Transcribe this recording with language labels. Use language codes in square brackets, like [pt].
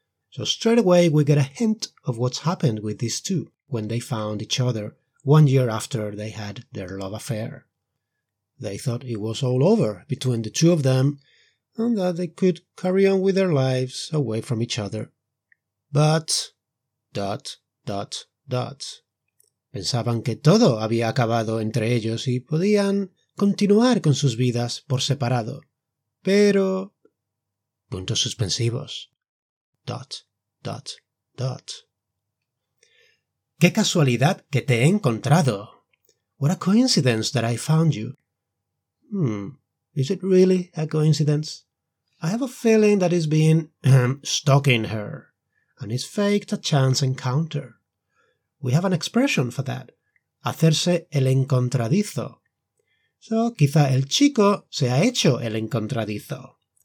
[en] So straight away we get a hint of what's happened with these two when they found each other 1 year after they had their love affair. They thought it was all over between the two of them and that they could carry on with their lives away from each other. But... dot, dot, dot. [es] Pensaban que todo había acabado entre ellos y podían continuar con sus vidas por separado. Pero... puntos suspensivos. [en] Dot, dot, dot. [es] ¡Qué casualidad que te he encontrado! [en] What a coincidence that I found you. Is it really a coincidence? I have a feeling that he's been stalking her, and he's faked a chance encounter. We have an expression for that, [es] hacerse el encontradizo. So quizá el chico se ha hecho el encontradizo.